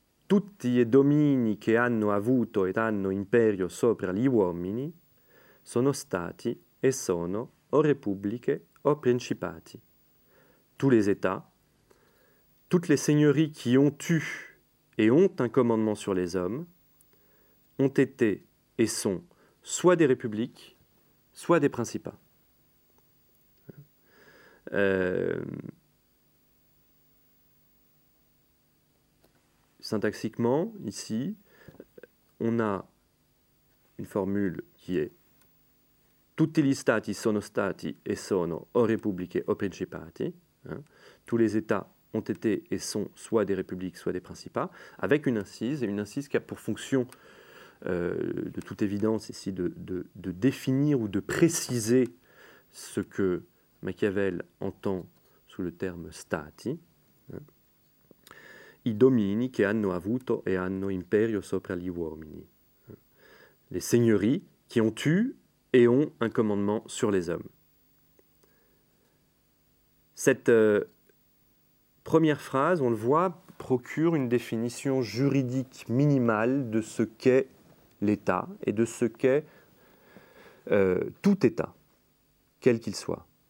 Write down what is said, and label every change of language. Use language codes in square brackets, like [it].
[it] Tutti i domini che hanno avuto ed hanno imperio sopra gli uomini sono stati e sono o repubbliche o principati. [fr] Tous les États, toutes les seigneuries qui ont eu et ont un commandement sur les hommes ont été et sont soit des républiques, soit des principats. Syntaxiquement, ici, on a une formule qui est [it] tutti gli stati sono stati e sono o repubbliche o principati. [fr] Tous les États ont été et sont soit des républiques, soit des principats, avec une incise, et une incise qui a pour fonction, de toute évidence ici, de définir ou de préciser ce que Machiavel entend sous le terme stati. [it] I domini che hanno avuto e hanno imperio sopra gli uomini. [fr] Les seigneuries qui ont eu et ont un commandement sur les hommes. Cette première phrase, on le voit, procure une définition juridique minimale de ce qu'est l'État et de ce qu'est tout État, quel qu'il soit.